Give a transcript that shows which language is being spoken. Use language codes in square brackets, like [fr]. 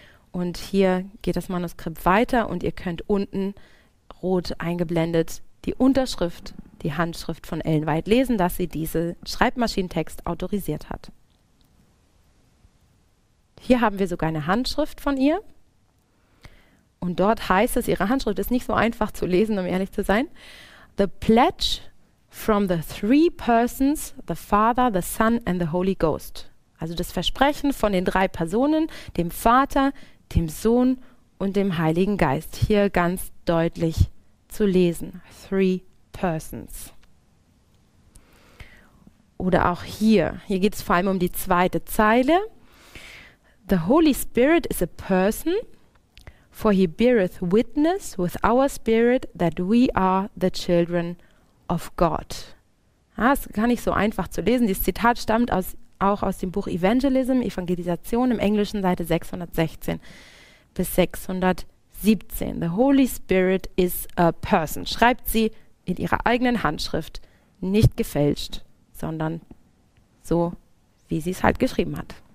[de] Und hier geht das Manuskript weiter und ihr könnt unten rot eingeblendet die Unterschrift, die Handschrift von Ellen White lesen, dass sie diesen Schreibmaschinentext autorisiert hat. Hier haben wir sogar eine Handschrift von ihr. Und dort heißt es, ihre Handschrift ist nicht so einfach zu lesen, um ehrlich zu sein. [en] The pledge from the three persons, the Father, the Son and the Holy Ghost. [de] Also das Versprechen von den drei Personen, dem Vater, dem Sohn und dem Heiligen Geist. Hier ganz deutlich zu lesen. [en] Three persons. [de] Oder auch hier. Hier geht es vor allem um die zweite Zeile. [en] The Holy Spirit is a person, for he beareth witness with our spirit that we are the children of God. [de] Ja, das ist gar nicht so einfach zu lesen. Dieses Zitat stammt aus dem Buch Evangelism, Evangelisation, im Englischen Seite 616 bis 617. [en] The Holy Spirit is a person, [de] schreibt sie in ihrer eigenen Handschrift, nicht gefälscht, sondern so, wie sie es halt geschrieben hat.